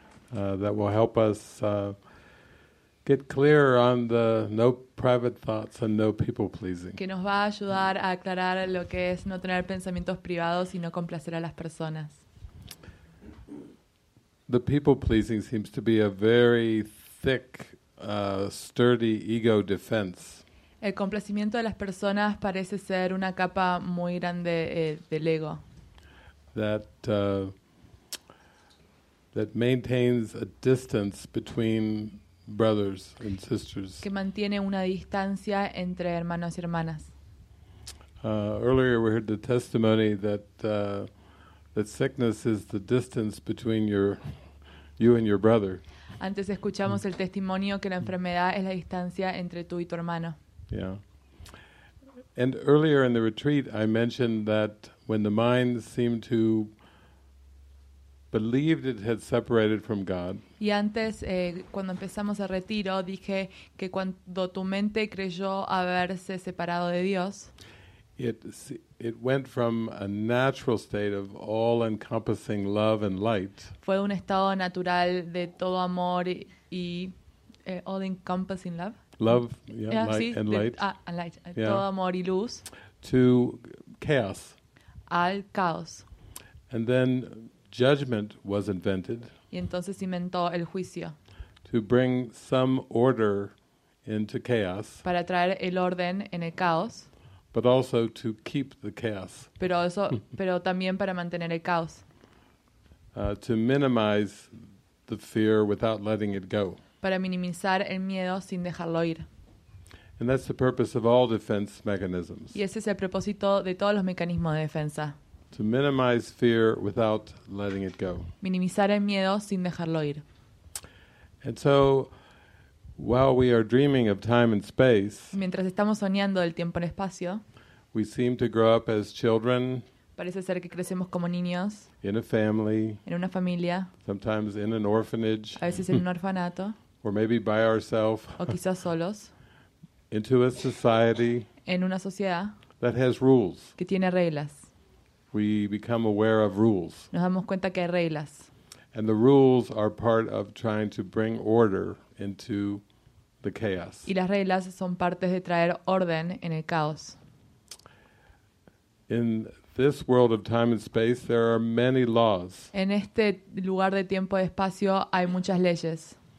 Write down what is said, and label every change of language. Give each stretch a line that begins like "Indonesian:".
English: That will help us get clear on the no private thoughts and no people pleasing.
Spanish: Que nos va a ayudar a aclarar lo que es no tener pensamientos privados y no complacer a las personas.
English: The people pleasing seems to be a very thick, sturdy ego defense.
Spanish: El complacimiento de las personas parece ser una capa muy grande del ego.
English: That maintains a distance between brothers and sisters.
Spanish: Que mantiene una distancia entre hermanos y hermanas.
English: Earlier we heard the testimony that sickness is the distance between you and your brother.
Spanish: Antes escuchamos el testimonio que la enfermedad es la distancia entre tú y tu hermano.
English: Yeah. And earlier in the retreat, I mentioned that when the mind seemed to believe it had separated from God.
Spanish: Y antes, cuando empezamos el retiro, dije que cuando tu mente creyó haberse separado de Dios,
English: it went from a natural state of all-encompassing love and light.
Spanish: Fue un estado natural de todo amor y
English: all-encompassing love. Love, light.
Spanish: Todo amor y luz.
English: To chaos.
Spanish: Al caos.
English: And then judgment was invented.
Spanish: Y entonces inventó el juicio.
English: To bring some order into chaos.
Spanish: Para traer el orden en el caos.
English: But also to keep the chaos.
Spanish: Pero también para mantener el caos.
English: To minimize the fear without letting it go.
Spanish: Para minimizar el miedo sin dejarlo ir.
English: And that's the purpose of all defense mechanisms.
Spanish: Y ese es el propósito de todos los mecanismos de defensa.
English: To minimize fear without letting it go.
Spanish: Minimizar el miedo sin dejarlo ir.
English: And so, while we are dreaming of time and space,
Spanish: mientras estamos soñando del tiempo en espacio,
English: we seem to grow up as children.
Spanish: Parece ser que crecemos como niños.
English: In a family.
Spanish: En una familia.
English: Sometimes in an orphanage.
Spanish: A veces en un orfanato.
English: Or maybe by ourselves.
Spanish: O quizás solos.
English: Into a society.
Spanish: En una sociedad.
English: That has rules.
Spanish: Que tiene reglas.
English: We become aware of rules.
Spanish: Nos damos cuenta que hay reglas.
English: And the rules are part of trying to bring order into the chaos.
Spanish: Y las reglas son partes de traer orden en el caos.
English: In this world of time and space, there are many laws.
Spanish: En este lugar de tiempo y espacio hay muchas leyes.